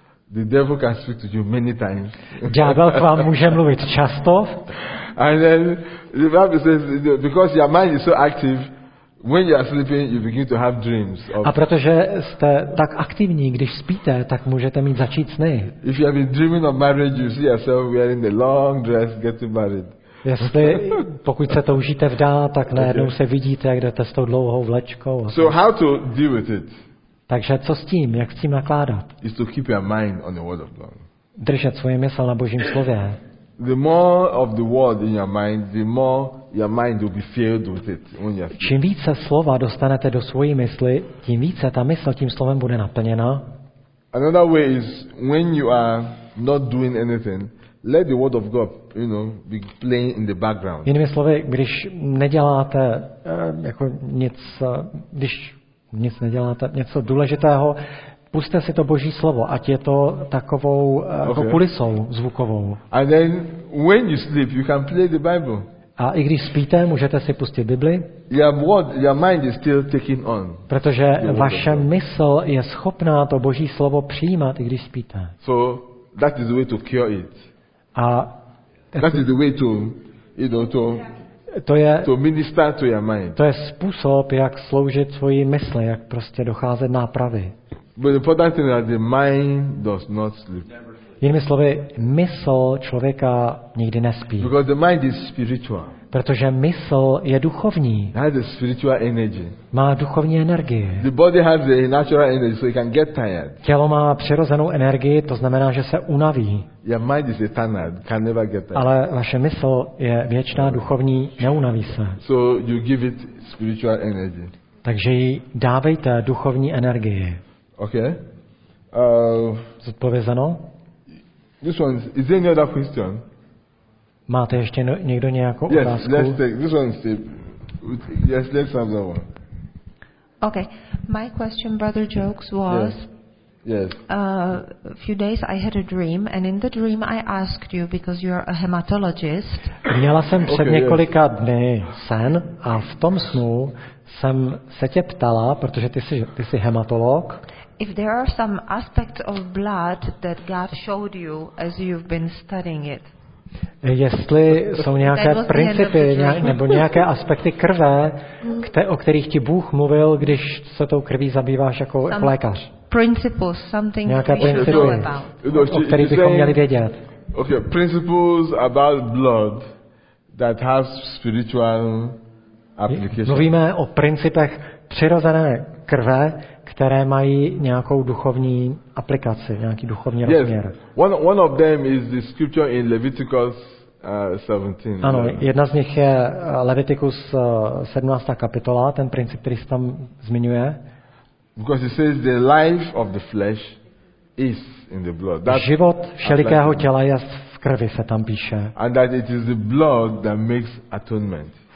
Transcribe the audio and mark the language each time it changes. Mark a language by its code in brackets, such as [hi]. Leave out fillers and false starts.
[en] The devil can speak to you many times. [cs] Ďábel k vám může mluvit často. [en] And then the Bible says because your mind is so active, when you are sleeping, you begin to have dreams. [cs] A protože jste tak aktivní, když spíte, tak můžete mít začít sny. [en] If you have been dreaming of marriage, you see yourself wearing a long dress, getting married. [cs] Jestli, pokud se toužíte vdát, tak najednou se vidíte, jak jdete s tou dlouhou vlečkou. [en] So how to deal with it? [cs] Takže co s tím? Jak s tím nakládat? [en] Is to keep your mind on the word of God. [cs] Držet svoje mysl na Božím slově. [en] The more of the word in your mind, the more your mind will be filled with it. [cs] Čím více slova dostanete do svojí mysli, tím více ta mysl tím slovem bude naplněna. [en] Another way is when you are not doing anything, let the word of God, you know, be playing in the background. [cs] Jinými slovy, když neděláte jako nic, když nic neděláte, něco důležitého, puste si to Boží slovo, ať je to takovou jako kulisou zvukovou. [en] And then when you sleep, you can play the Bible. [cs] A i když spíte, můžete si pustit Bibli. [en] Your mind is still taking on. [cs] Protože vaše mysl je schopná to Boží slovo přijímat, i když spíte. [en] So that is the way to cure it. [cs] A [en] that is the way to, you know, to. [cs] To [en] minister to your mind. [cs] To je způsob, jak sloužit svoji mysli, jak prostě docházet nápravy. [en] But the important thing is that the mind does not sleep. [cs] Jinými slovy, mysl člověka nikdy nespí. [en] Because the mind is spiritual. [cs] Protože mysl je duchovní. [en] Has a spiritual energy. [cs] Má duchovní energii. [en] The body has a natural energy, so it can get tired. [cs] Tělo má přirozenou energii, to znamená, že se unaví. [en] Your mind is eternal, can never get tired. [cs] Ale vaše mysl je věčná, duchovní, neunaví se. [en] So you give it spiritual energy. [cs] Takže jí dávejte duchovní energii. [en] Okay. [cs] Zodpovězeno? [en] This one is there any other question? [cs] Máte ještě někdo nějakou [en] yes, [cs] otázku? [en] Yes, let's take this one. Yes, let's have that one. Okay, my question, Brother Jokes, was. few days I had a dream, and in the dream I asked you, because you are a hematologist. [cs] Měla jsem před několika dny sen a v tom snu jsem se tě ptala, protože ty jsi hematolog. [en] If there are some aspects of blood that God showed you as you've been studying it. [cs] Jestli jsou nějaké principy nebo nějaké aspekty krve, o kterých ti Bůh mluvil, když se tou krví zabýváš jako [en] some [cs] lékař. [en] Principles, something [cs] nějaké principy, o kterých bychom měli vědět. [en] Okay, principles about blood that has spiritual application. [cs] Mluvíme o principech přirozené krve, které mají nějakou duchovní aplikaci, nějaký duchovní [en] yes. [cs] rozměr. [en] One of them is the scripture in Leviticus 17. [cs] Ano, jedna z nich je Leviticus 17. kapitola, ten princip, který se tam zmiňuje. [en] Because it says the life of the flesh is in the blood. [cs] That's život všelikého těla je v krvi, se tam píše. [en] And that it is the blood that makes atonement.